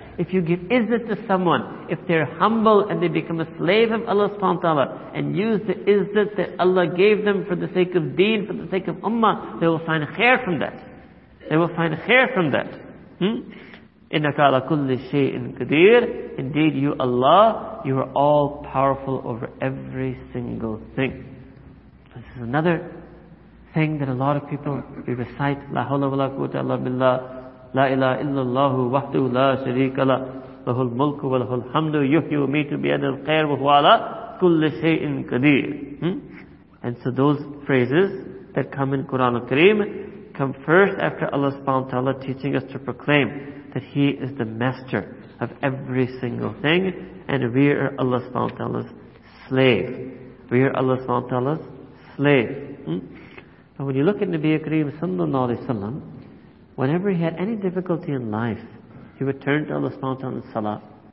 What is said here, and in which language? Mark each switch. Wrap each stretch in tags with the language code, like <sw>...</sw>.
<en>If you give izzah to someone, if they're humble and they become a slave of Allah subhanahu wa ta'ala, and use the izzah that Allah gave them for the sake of deen, for the sake of ummah, they will find khair from that. They will find khair from that.</en> <ar>إِنَّكَ عَلَى كُلِّ شَيْءٍ قَدِيرٍ.</ar> <en>Indeed, you Allah, you are all powerful over every single thing. This is another thing that a lot of people, we recite,</en> <ar>لا حول ولا قوة إلا بالله, لا إله إلا الله وحده لا شريك له, له الملك وله الحمد, يحيي ويميت بيد الخير وهو على كل شيء قدير.</ar> <en>And so those phrases that come in Quran al-Kareem come first after Allah subhanahu wa ta'ala teaching us to proclaim that He is the master of every single thing, and we are Allah subhanahu wa ta'ala's slave. We are Allah subhanahu wa ta'ala's slave. But when you look at Nabiya Kareem sallallahu alayhi wa sallam, whenever he had any difficulty in life, he would turn to Allah subhanahu wa ta'ala in salah.</en>